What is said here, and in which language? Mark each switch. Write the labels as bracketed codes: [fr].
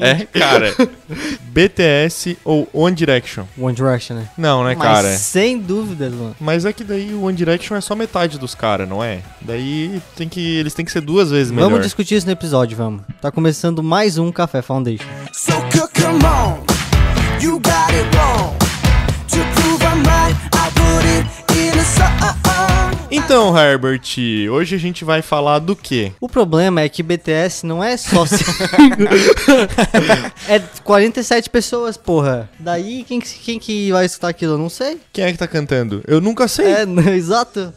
[pt] É, cara. BTS ou One Direction? One Direction, né? Não, né, mas cara? Sem dúvidas, mano. Mas é que daí o One Direction é só metade dos caras, não é? Daí tem que, eles têm que ser duas vezes melhor. Vamos discutir isso no episódio, vamos. Tá começando mais um Café Foundation. [en] So come on, you got it wrong. To prove I'm right, I put it in a song. [pt] Então, Herbert, hoje a gente vai falar do quê? O problema é que BTS não é só... é 47 pessoas, porra. Daí, quem que vai escutar aquilo? Eu não sei. Quem é que tá cantando? Eu nunca sei. É, não, exato.